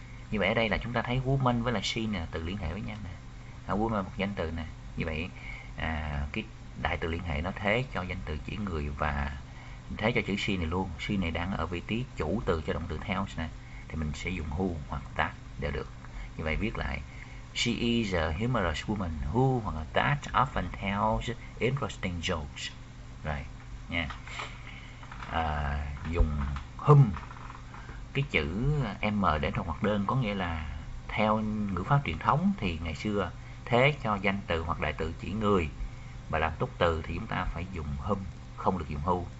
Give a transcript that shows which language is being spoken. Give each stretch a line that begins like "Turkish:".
Vietnamese: Như vậy ở đây là chúng ta thấy woman với là she nè, từ liên hệ với nhau nè. Woman là một danh từ nè. Như vậy cái đại từ liên hệ nó thế cho danh từ chỉ người và thế cho chữ she này luôn. She này đang ở vị trí chủ từ cho động từ theo nè. Thì mình sẽ dùng who hoặc that đều được. Như vậy viết lại,
English: She is a humorous woman who
Vietnamese: hoặc là
English: that often tells interesting jokes.
Vietnamese: Rồi, nha. Dùng whom, cái chữ m để trong hoạt đơn có nghĩa là theo ngữ pháp truyền thống thì ngày xưa thế cho danh từ hoặc đại từ chỉ người, và làm tốt từ thì chúng ta phải dùng whom, không được dùng who.